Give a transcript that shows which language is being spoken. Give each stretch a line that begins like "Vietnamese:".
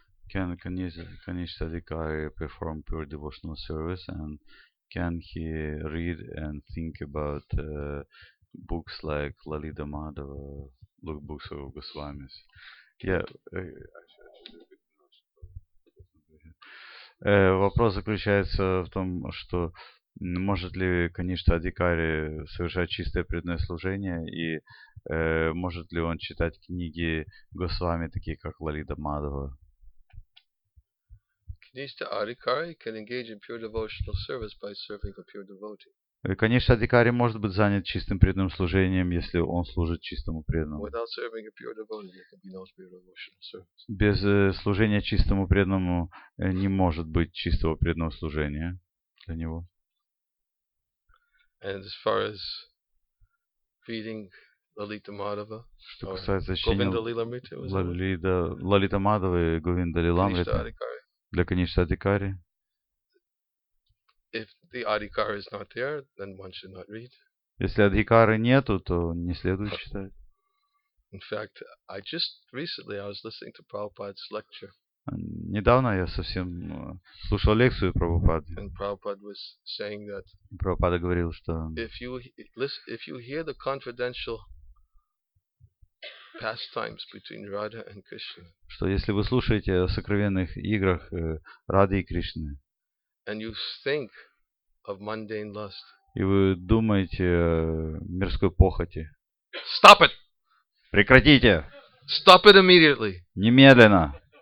English: Can Kanishtha Adhikari perform pure devotional service, and can he read and think about books like Lalita Madhava, look books of Goswamis?
Russian: Вопрос заключается в том, что может ли Kanishtha Adhikari совершать чистое преданное служение, и может ли он читать книги Госвами, такие как Лалита Мадхава?
English: Kanishtha Adhikari can engage in pure devotional service by serving a pure devotee.
Russian: Kanishtha Adhikari может быть занят чистым преданным служением, если он служит чистому преданному.
English: Without serving a pure devotee, there can be no pure devotional service.
Russian: Без служения чистому преданному не может быть чистого преданного служения для него.
English: And as far as reading Lalita Madhava,
Russian: что касается чтения Лалита Мадхавы, Говинда Лиламриты, для Kanishtha Adhikari.
English: If the Adhikara is not there, then one should not read.
Russian: Если Адхикары нету, то не следует читать.
English: In fact, I just recently I was listening to Prabhupada's lecture.
Russian: Недавно я совсем слушал лекцию Прабхупады.
English: And Prabhupada was saying that.
Russian: Прабхупада говорил, что.
English: If you hear the confidential pastimes between Radha and Krishna.
Russian: Что если вы слушаете о сокровенных играх Рады и Кришны.
English: And you think of mundane lust.
Russian: И вы думаете о мирской похоти.
English: Stop it.
Russian: Прекратите.
English: Stop it immediately.
Russian: Немедленно.